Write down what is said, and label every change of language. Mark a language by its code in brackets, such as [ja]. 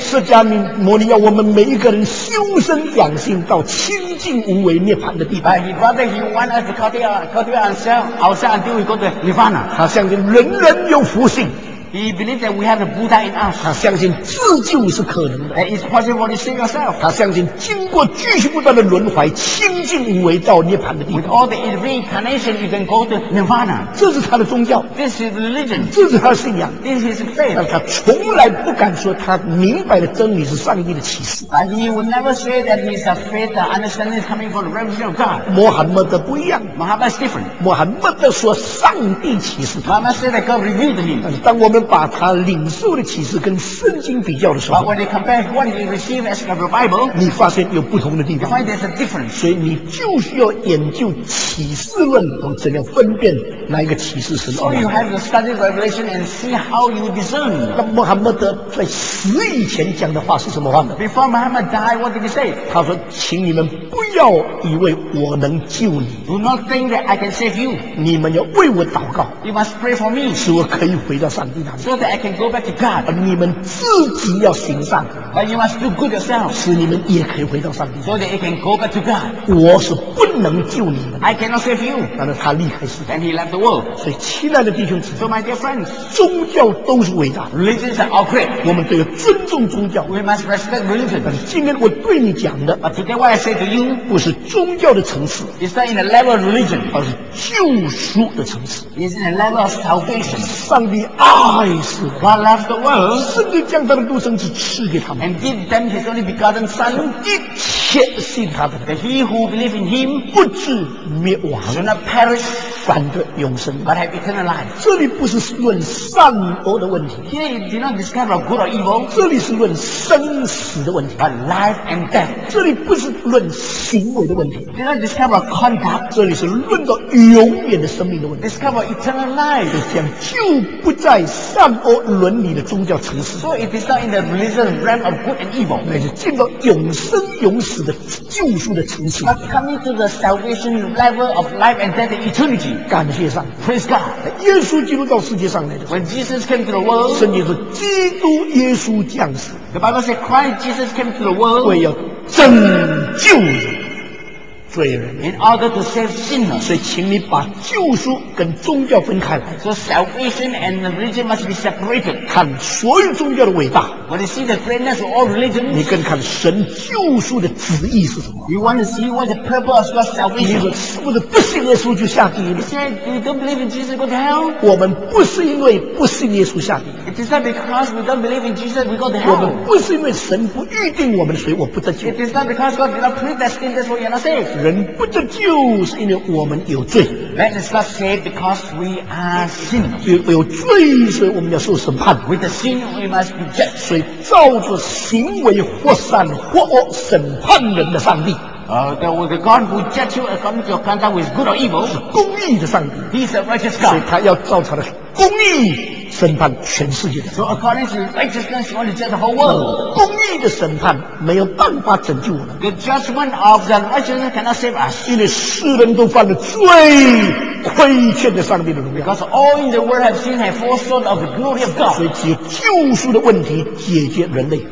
[zh] 释迦牟尼要我们每一个人修身养性到清净无为涅槃的地步。 [en] He rather he want us to cultivate ourselves until we go to nirvana. [zh] 他相信人人有福性。 [en] He believes that we have the Buddha in us. [zh] 他相信自救是可能的。 [en] It's possible to save yourself. [zh] 他相信经过继续不断的轮回，清净无为到涅槃的地步。 [en] With all the reincarnation, you can go to nirvana. [zh] 这是他的宗教。 [en] This is religion. [zh] 这是他的信仰。 [en] This is faith. [zh] 但他从来不敢说他明白的真理是上帝的启示。 [en] He would never say that his faith understanding is coming from the revelation of God. [zh] 穆罕默德不一样。 [en] Muhammad is different. [zh] 穆罕默德说上帝启示他。 [en] Muhammad said that God revealed him. [zh] 但是当我们把他领受的启示跟圣经比较的时候 [en] But when they compare what he received as a Bible, [zh] 你发现有不同的地方 [en] You find there's a difference. [zh] 所以你就需要研究启示论和怎样分辨哪一个启示是 [en] So you have to study Revelation and see how you discern. [zh] 那穆罕默德在死以前讲的话是什么话呢 [en] Before Muhammad died, what did he say? [zh] 他说请你们不要以为我能救你 [en] Do not think that I can save you. [zh] 你们要为我祷告 [en] You must pray for me. [zh] 使我可以回到上帝 [en] So that I can go back to God. [zh] 你们自己要行善。 [en] But you must do good yourself. [zh] 使你们也可以回到上帝。 [en] So that I can go back to God. [zh] 我是不能救你们。 [en] I cannot save you. [zh] 但是他离开世 [en] 界。And he left the world. [zh] 所以亲爱的弟兄姊妹。 [en] So my dear friends. [zh] 宗教都是伟大。 [en] Religions are all great. [zh] 我们都要尊重宗教。 [en] We must respect religion. [zh] 但是今天我对你讲的。 [en] But today what I say to you. [zh] 不是宗教的层次。 [en] It's not in the level of religion. [zh] 而是救赎的层次。 [en] It's in the level of salvation. [zh] 上帝啊。 [en] God loves the world. [zh] 甚至将他的独生子赐给他们。 [en] And give them his only begotten son. [zh] 一切信他的。 [en] That he who believes in him. [zh] 不至灭亡。 [en] Should not perish. [zh] 反得永生。 [en] But have eternal life. [zh] 这里不是论善恶的问题。 [en] Here you did not discover good or evil. [zh] 这里是论生死的问题。 [en] But life and death. [zh] 这里不是论行为的问题。 [en] Did not discover conduct. [zh] 这里是论到永远的生命的问题。 [en] Discover eternal life. [zh] 就讲就不在善恶伦理的宗教层次 [en] So it is not in the religion realm of good and evil [zh] 乃是进到永生永死的救赎的层次 [en] But coming to the salvation level of life and death and eternity [zh] 感谢上 [en] Praise God [zh] 耶稣基督到世界上来的 [en] When Jesus came to the world [zh] 圣经说基督耶稣降世 [en] The Bible said Christ Jesus came to the world [zh] 为要拯救人罪人 [en] In order to save sinners [zh] 所以请你把救赎跟宗教分开来 [en] So salvation and religion must be separated [zh] 看所有宗教的伟大 [en] When you see the greatness of all religions [zh] 你更看神救赎的旨意是什么 [en] You want to see what the purpose of salvation [zh] 你说是不是不信耶稣就下地狱 [en] You say you don't believe in Jesus go to hell [zh] 我们不是因为不信耶稣下地狱 [en] It is not because we don't believe in Jesus we go to hell [zh] 我们不是因为神不预定我们所以我不得救 [en] It is not because God did not predestine that's why you are not saved [zh] 人不得救是因为我们有罪 [en] Let us not say because we are sinners [zh] 有罪所以我们要受审判 [en] With the sin we must be judged [zh] 所以照着行为或善或恶审判人的上帝 [en] The God who judge you according to your conduct with good or evil [zh] 是公义的上帝 [en] He is a righteous God [zh] 所以他要照他的公义审判全世界的 [en] So according to righteousness you want to judge the whole world [zh] 公义的审判没有办法拯救我们 [en] The judgment of the righteousness cannot save us [zh] 因为世人都犯了罪亏欠的上帝的荣耀 [en] Because all in the world have sinned and fall short of the glory of God [zh] 所以只有救赎的问题解决人类